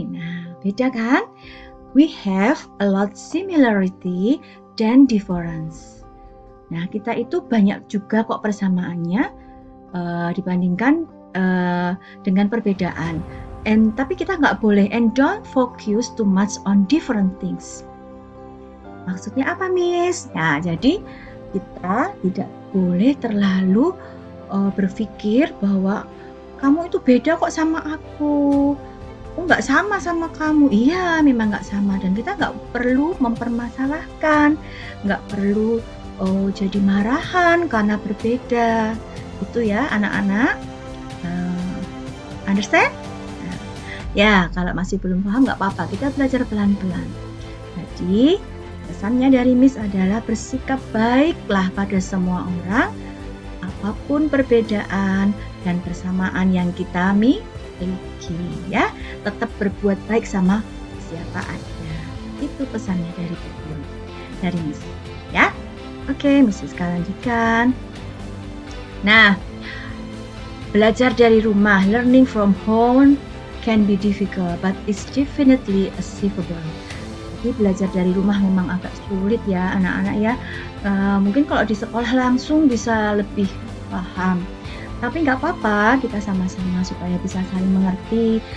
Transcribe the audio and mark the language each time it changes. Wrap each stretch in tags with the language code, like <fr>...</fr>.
<id>Nah, beda kan?</id> <en>We have a lot similarity than difference.</en> <id>Nah, kita itu banyak juga kok persamaannya dibandingkan dengan perbedaan. Tapi kita nggak boleh,</id> <en>and don't focus too much on different things.</en> <id>Maksudnya apa, Miss? Nah, jadi kita tidak boleh terlalu berpikir bahwa kamu itu beda kok sama aku. Oh, nggak sama sama kamu. Iya, memang nggak sama. Dan kita nggak perlu mempermasalahkan. Nggak perlu jadi marahan karena berbeda. Itu ya, anak-anak.</id> <en>Understand?</en> <id>Nah, ya, kalau masih belum paham, nggak apa-apa. Kita belajar pelan-pelan. Jadi, pesannya dari Miss adalah bersikap baiklah pada semua orang. Apapun perbedaan dan persamaan yang kita miliki ya, tetap berbuat baik sama siapa aja. Itu pesannya dari Miss ya. Oke, Miss Siska lanjutkan. Nah, belajar dari rumah,</id> <en>learning from home can be difficult but it's definitely achievable.</en> <id>Jadi belajar dari rumah memang agak sulit ya anak-anak ya. Mungkin kalau di sekolah langsung bisa lebih paham. Tapi nggak apa-apa, kita sama-sama supaya bisa saling mengerti.</id>